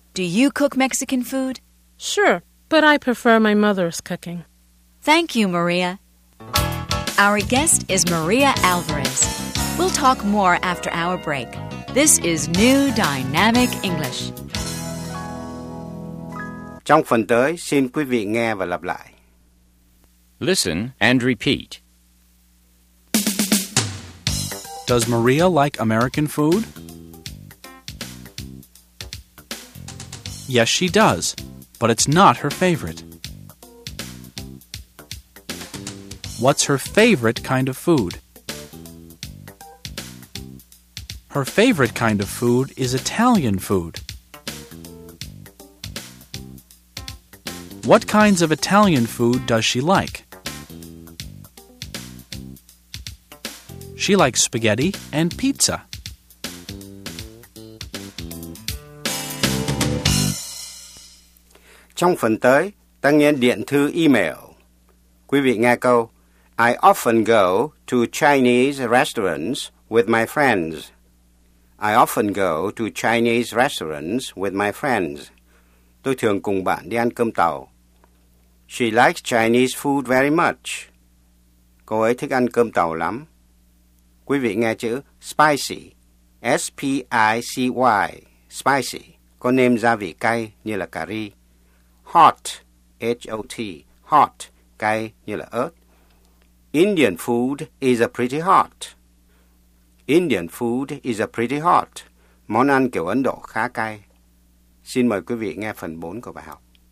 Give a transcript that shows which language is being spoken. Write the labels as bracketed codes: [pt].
[en] Do you cook Mexican food? Sure, but I prefer my mother's cooking. Thank you, Maria. Our guest is Maria Alvarez. We'll talk more after our break. This is New Dynamic English. [vi] Trong phần tới, xin quý vị nghe và lặp lại. [en] Listen and repeat. Does Maria like American food? Yes, she does, but it's not her favorite. What's her favorite kind of food? Her favorite kind of food is Italian food. What kinds of Italian food does she like? She likes spaghetti and pizza. [vi] Trong phần tới, ta nghe điện thư email. Quý vị nghe câu, [en] I often go to Chinese restaurants with my friends. I often go to Chinese restaurants with my friends. [vi] Tôi thường cùng bạn đi ăn cơm tàu. [en] She likes Chinese food very much. [vi] Cô ấy thích ăn cơm tàu lắm. Quý vị nghe chữ spicy, S-P-I-C-Y, spicy, có nêm gia vị cay như là cà ri. Hot, H-O-T, hot, cay như là ớt. [en] Indian food is a pretty hot. Indian food is a pretty hot. [vi] Món ăn kiểu Ấn Độ khá cay. Xin mời quý vị nghe phần 4 của bài học.